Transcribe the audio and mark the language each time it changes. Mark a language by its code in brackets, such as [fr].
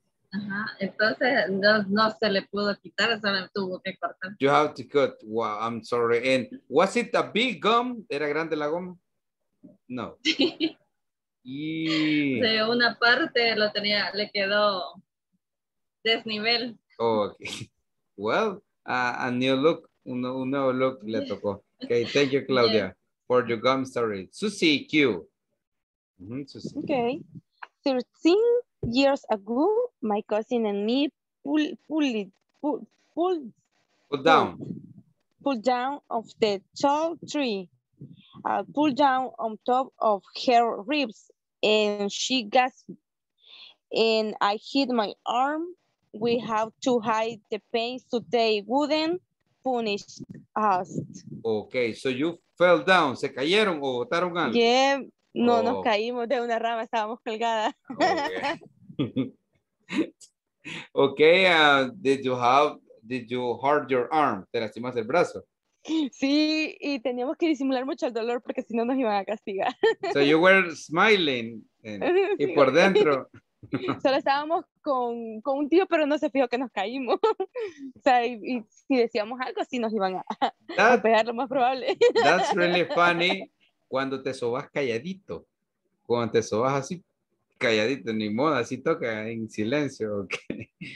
[es] Ajá, entonces no se le pudo quitar, eso le tuvo que cortar. [en] You have to cut. Wow, I'm sorry. And was it a big gum? [es] ¿Era grande la goma? [en] No. [es] Sí. De una parte lo tenía, le quedó desnivel. [en] Okay. Well, a new look, [es] un nuevo look le tocó. [en] Okay, thank you, Claudia, yeah, for your gum story. Susie Q. Mm-hmm, Susie. Okay. 13 years ago, my cousin and me pulled down of the tall tree. I pulled down on top of her ribs, and she gasped. And I hit my arm we have to hide the pain so they wouldn't punish us. Okay, so you fell down. [es] ¿Se cayeron o botaron algo? Yeah, no oh. Nos caímos de una rama, estábamos colgadas. [en] Okay, okay, did you hurt your arm? [es] ¿Te lastimaste el brazo? Sí, y teníamos que disimular mucho el dolor porque si no nos iban a castigar. So you were smiling and, y por dentro. Solo estábamos con un tío, pero no se fijó que nos caímos. O sea, y si decíamos algo, sí nos iban a pegar lo más probable. [en] That's really funny [es] cuando te sobas calladito. Cuando te sobas así calladito, ni modo, así toca en silencio. Okay.